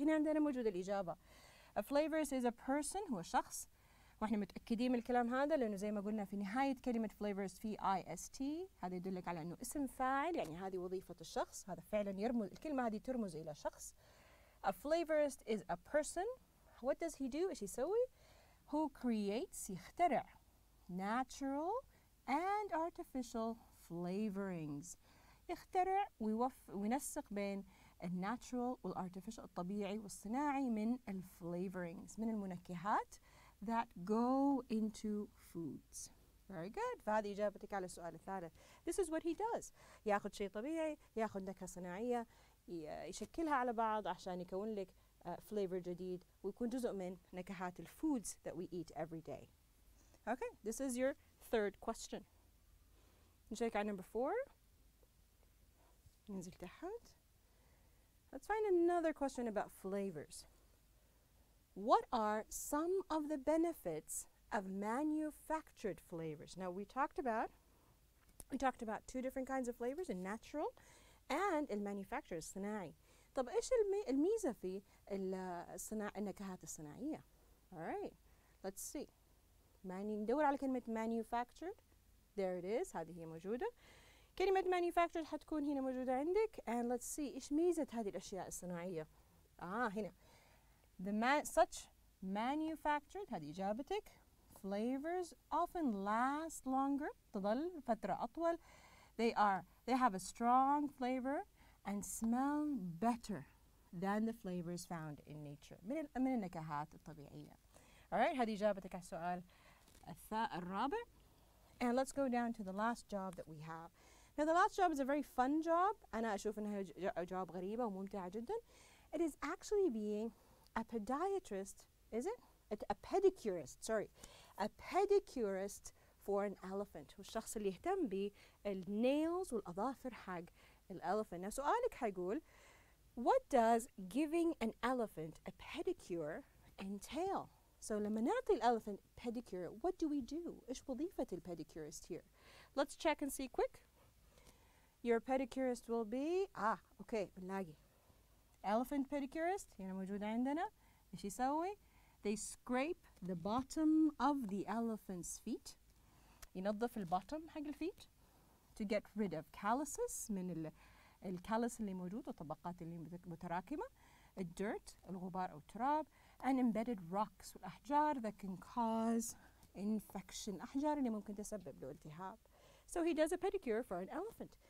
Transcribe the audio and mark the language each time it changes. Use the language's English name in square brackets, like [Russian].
[Arabic] هنا عندنا موجودة الإجابة. [English] A flavors is a person، [Arabic] هو شخص. واحنا متأكدين من الكلام هذا لأنه زي ما قلنا في نهاية كلمة flavors في IST، هذا يدلك على أنه اسم فاعل، يعني هذه وظيفة الشخص، هذا فعلا يرمز، الكلمة هذه ترمز إلى شخص. [English] A flavorist is a person. What does he do? [Arabic] إيش يسوي؟ [English] Who creates، [Arabic] يخترع [English] natural and artificial flavorings. [Arabic] يخترع وينسق بين الناتشرال والارتفيشال، الطبيعي والصناعي، من الفلايفرينجز، من المنكهات [English] that go into foods. Very good. [Arabic] فهذه إجابتك على السؤال الثالث. [English] This is what he does. [Arabic] يأخذ شيء طبيعي، يأخذ نكهة صناعية، يشكلها على بعض عشان يكون لك flavor جديد ويكون جزء من نكهات الفودز [English] that we eat every day. Okay, this is your third question. [Arabic] نشيك على number 4. ننزل تحت. [English] Let's find another question about flavors. What are some of the benefits of manufactured flavors? Now we talked about two different kinds of flavors, the natural and the manufactured الصناعي. [Arabic] طب ايش الميزة في النكهات الصناعية؟ [English] All right. Let's see. [Arabic] ندور على كلمة manufactured. [English] There it is. [Arabic] هذه هي موجودة. كلمة manufactured حتكون هنا موجودة عندك. [English] And let's see [Arabic] ايش ميزة هذه الأشياء الصناعية. هنا. [English] Such manufactured، [Arabic] هذه إجابتك، [English] flavors often last longer، [Arabic] تظل فترة أطول، [English] They are. They have a strong flavor and smell better than the flavors found in nature. [Arabic] من النكهات الطبيعية. [English] Alright, [Arabic] هذه إجابتك على السؤال الرابع. [English] And let's go down to the last job that we have. Now the last job is a very fun job. [Arabic] أنا أشوف أنها job غريبة وممتعة جدا. [English] It is actually being a podiatrist, is it? A pedicurist for an elephant. [Arabic] والشخص اللي يهتم بي النيلز والأظافر حق الإلفنت. [English] Now [Arabic] سؤالك حيقول, [English] what does giving an elephant a pedicure entail? So [Arabic] لما نعطي الإلفنت [English] pedicure, what do we do? [Arabic] إيش وظيفة البيديكيرست here? [English] Let's check and see quick. Your pedicurist will be, okay, بنلاقي. [Arabic] Elephant pedicurist, هنا موجودة عندنا. إيش يسوي؟ [English] They scrape the bottom of the elephant's feet. [Arabic] ينظف البوتم حق الفيت. [English] To get rid of calluses, [Arabic] من الكالس اللي موجود والطبقات اللي متراكمة. Dirt, الغبار أو التراب. [English] And embedded rocks, [Arabic] والأحجار [English] that can cause infection. [Arabic] أحجار اللي ممكن تسبب له التهاب. [English] So he does a pedicure for an elephant.